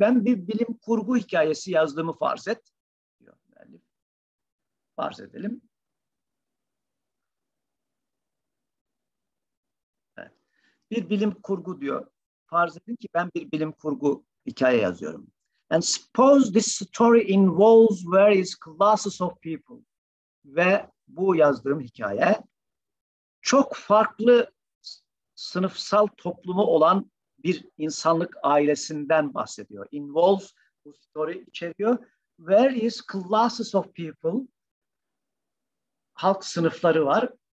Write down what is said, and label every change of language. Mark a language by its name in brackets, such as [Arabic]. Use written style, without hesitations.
[Turkish] Ben bir bilim kurgu hikayesi yazdığımı farz et. Yani farz edelim. Evet. Bir bilim kurgu diyor. Farz edin ki ben bir bilim kurgu hikaye yazıyorum. [English] And suppose this story involves various classes of people. [Turkish] Ve bu yazdığım hikaye çok farklı sınıfsal toplumu olan bir insanlık ailesinden bahsediyor. [English] Involves, bu story içeriyor. Various classes of people, [Turkish] halk sınıfları var.